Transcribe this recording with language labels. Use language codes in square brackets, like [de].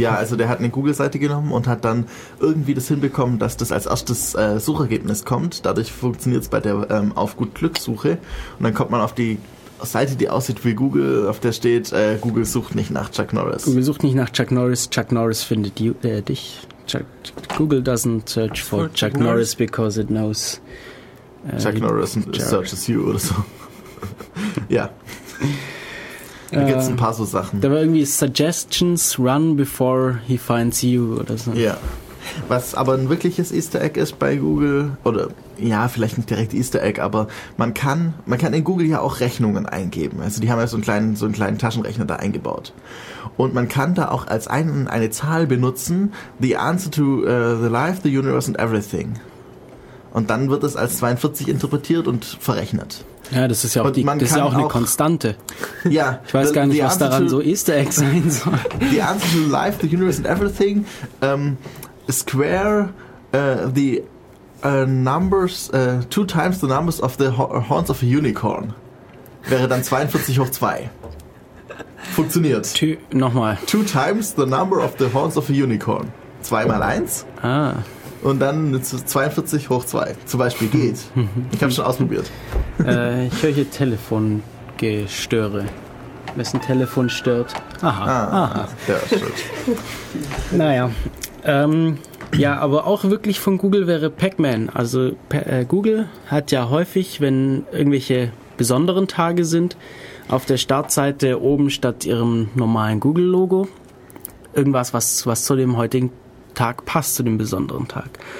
[de] Ja, also der hat eine Google-Seite genommen und hat dann irgendwie das hinbekommen, dass das als erstes Suchergebnis kommt. Dadurch funktioniert es bei der auf gut Glück-Suche. Und dann kommt man auf die Seite, die aussieht wie Google, auf der steht, Google sucht nicht nach Chuck Norris. Google sucht nicht nach Chuck Norris. Chuck Norris findet dich. [en] Google doesn't search for Chuck Norris, because it knows... Chuck Norris searches you [de] oder so. Ja. Da gibt es ein paar so Sachen. Da war irgendwie [en] Suggestions run before he finds you [de] oder so. Ja. Was aber ein wirkliches Easter Egg ist bei Google, oder ja, vielleicht nicht direkt Easter Egg, aber man kann in Google ja auch Rechnungen eingeben. Also die haben ja so einen kleinen Taschenrechner da eingebaut. Und man kann da auch als eine Zahl benutzen, [en] the answer to the life, the universe and everything. [de] Und dann wird es als 42 interpretiert und verrechnet. Ja, das ist ja auch, eine Konstante. Ja. Ich weiß gar nicht, was daran so Easter Egg sein soll. [en] The answer to life, the universe and everything, square the numbers, two times the numbers of the horns of a unicorn. [de] Wäre dann 42 hoch 2. Funktioniert. Nochmal. [en] Two times the number of the horns of a unicorn. [de] 2 mal 1. Ah. Und dann 42 hoch 2. Zum Beispiel geht. Ich hab's schon ausprobiert. Ich höre hier Telefongestöre. Wessen Telefon stört? Aha. Ja, stört. Naja. Ja, aber auch wirklich von Google wäre Pac-Man. Also Google hat ja häufig, wenn irgendwelche besonderen Tage sind, auf der Startseite oben statt ihrem normalen Google-Logo irgendwas, was zu dem heutigen Tag passt, zu dem besonderen Tag.